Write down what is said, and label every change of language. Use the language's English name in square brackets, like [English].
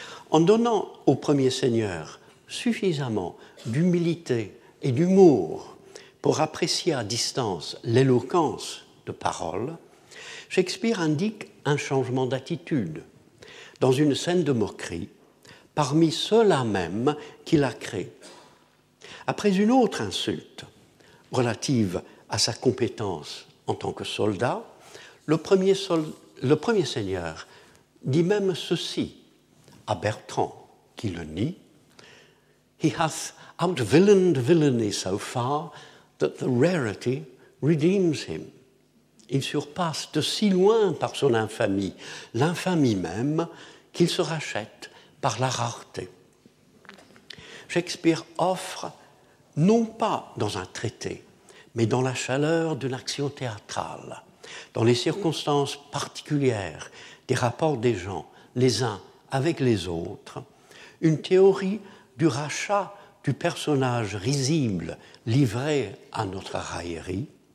[French] En donnant au premier seigneur suffisamment d'humilité et d'humour pour apprécier à distance l'éloquence de Parole, Shakespeare indique un changement d'attitude dans une scène de moquerie parmi ceux-là même qu'il a créé. Après une autre insulte relative à sa compétence en tant que soldat, le premier seigneur dit même ceci à Bertrand, qui le nie. [English] He hath outvillained villainy so far that the rarity redeems him. [French] Il surpasse de si loin par son infamie, l'infamie même, qu'il se rachète par la rareté. Shakespeare offre, non pas dans un traité, mais dans la chaleur d'une action théâtrale, dans les circonstances particulières des rapports des gens, les uns avec les autres, une théorie du rachat du personnage risible livré à notre raillerie,